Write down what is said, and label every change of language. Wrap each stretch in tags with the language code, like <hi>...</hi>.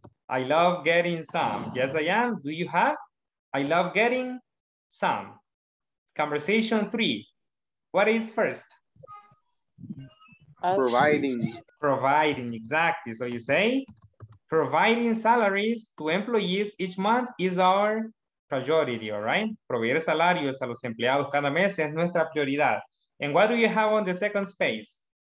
<en>I love getting some. Yes, I am. Do you have? I love getting some. Conversation three. What is first? Providing. Providing, exactly. So you say, providing salaries to employees each month is our priority, all right?</en> <es>Proveer salarios a los empleados cada mes es nuestra prioridad.</es> <en>And what do you have on the second space?</en>